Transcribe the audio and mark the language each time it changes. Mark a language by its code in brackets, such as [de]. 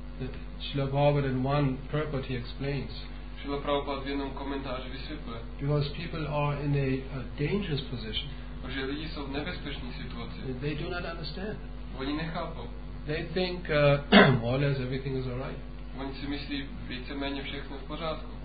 [en] That Srila Prabhupada in one purport he explains. [cs] Srila Prabhupada v jednom komentáři vysvětluje. [en] Because people are in a dangerous position. [cs] Že lidi jsou v nebezpečné situaci. [en] They do not understand. [cs] Oni nechápou. [en] They think more or less everything is all right. [cs] Oni si myslí víceméně všechno v pořádku.